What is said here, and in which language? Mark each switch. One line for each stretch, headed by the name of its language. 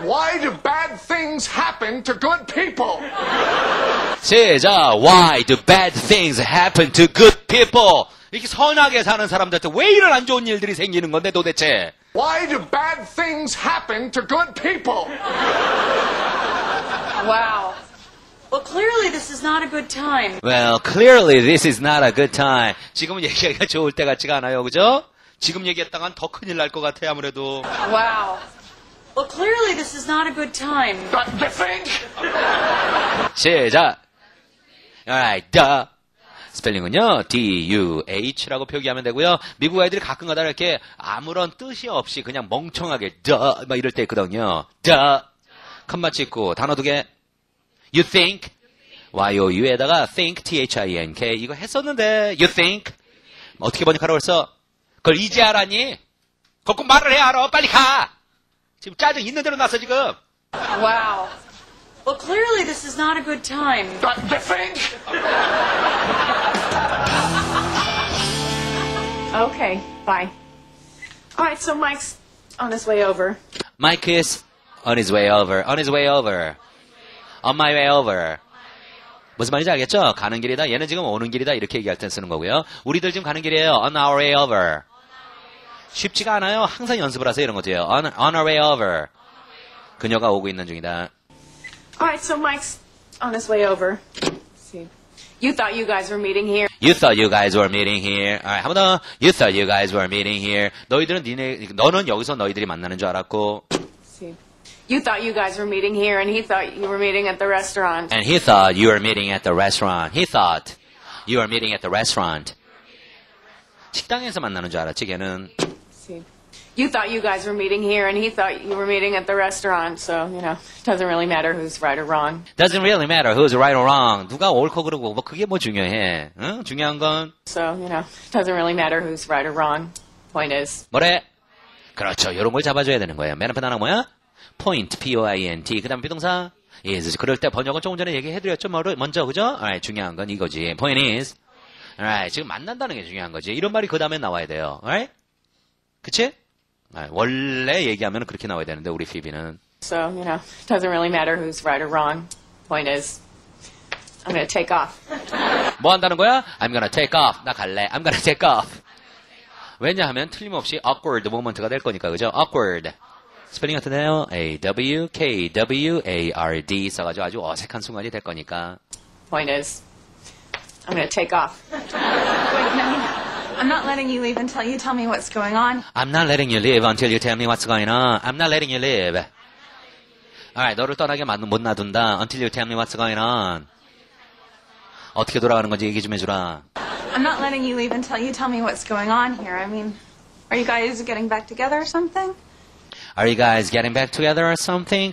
English: Why do bad things happen to good people?
Korean: 시작!
English: Why do bad things happen to good people?
Korean: 이렇게 선하게 사는 사람들한테 왜 이런 안 좋은 일들이 생기는 건데 도대체?
English: Why do bad things happen to good people? Wow. Well, clearly this is not a good time. Well, clearly this is not a good time.
Korean: 지금은 얘기하기가 좋을 때 같지가 않아요, 그죠? 지금 얘기했다간 더 큰일 날 것 같아, 아무래도.
English: Wow. Well, clearly this is not a good time. But the thing.
Korean: 시작.
English: Alright, duh.
Korean: 스펠링은요, D-U-H라고 표기하면 되고요. 미국 아이들이 가끔가다 이렇게 아무런 뜻이 없이 그냥 멍청하게 duh 막 이럴 때 있거든요. Duh. 컴마 찍고 단어 두 개.
English: You think.
Korean: Y-O-U에다가 think, T-H-I-N-K. 이거 했었는데,
English: you think.
Korean: 어떻게 번역하라고 했어? 그걸 이제 알았니? 그거 꼭 말을 해야 알아. 빨리 가. 지금 짜증 있는 대로 났어 지금.
English: Wow. Well, clearly this is not a good time. But the thing. Okay. Bye. All right. So Mike's on his way over. Mike is on his way over. On his way over. On my way over.
Korean: 무슨 말인지 알겠죠? 가는 길이다. 얘는 지금 오는 길이다. 이렇게 얘기할 때 쓰는 거고요. 우리들 지금 가는 길이에요.
English: On our way over.
Korean: 쉽지가 않아요. 항상 연습을 하세요. 이런 것도요.
English: On our way over.
Korean: 그녀가 오고 있는 중이다.
English: Alright, so Mike's on his way over. See. You thought you guys were meeting here. You thought you guys were meeting here. Alright,
Korean: 한 번 더.
English: You thought you guys were meeting here.
Korean: 너희들은 니네, 너는 여기서 너희들이 만나는 줄 알았고.
English: You thought you guys were meeting here and he thought you were meeting at the restaurant. And he thought you were meeting at the restaurant. He thought you were meeting at the restaurant.
Korean: 식당에서 만나는 줄 알았지, 걔는.
English: You thought you guys were meeting here, and he thought you were meeting at the restaurant. So, you know, doesn't really matter who's right or wrong. Doesn't really matter who's right or wrong.
Korean: 누가 옳고 그르고 뭐 그게 뭐 중요해? 응? 중요한 건.
English: So, you know, doesn't really matter who's right or wrong. Point is.
Korean: 뭐래? 그렇죠. 이런 걸 잡아줘야 되는 거예요. 맨 앞에 단어 뭐야? Point. P-O-I-N-T. 그다음 비동사. Is. 그럴 때 번역은 조금 전에 얘기해드렸죠. 뭐를 먼저 그죠? Alright. 중요한 건 이거지.
English: Point is.
Korean: Alright. 지금 만난다는 게 중요한 거지. 이런 말이 그 다음에 나와야 돼요.
English: Alright.
Korean: 그치? 원래 얘기하면 그렇게 나와야 되는데 우리 피비는.
English: So, you know, doesn't really matter who's right or wrong. Point is, I'm gonna take off.
Korean: 뭐 한다는 거야?
English: I'm gonna take off.
Korean: 나 갈래. I'm gonna take off. 왜냐하면 틀림없이 awkward moment가 될 거니까 그죠? Awkward. 스펠링 같은데요? A-W-K-W-A-R-D 써가지고 아주 어색한 순간이 될 거니까.
English: Point is, I'm gonna take off. I'm not letting you leave until you tell me what's going on. I'm not letting you leave until you tell me what's going on. I'm not letting you leave. Alright,
Korean: 너를 떠나게 못 놔둔다.
English: Until you tell me what's going on.
Korean: 어떻게 돌아가는 건지 얘기 좀 해주라.
English: I'm not letting you leave until you tell me what's going on here. I mean, are you guys getting back together or something? Are you guys getting back together or something?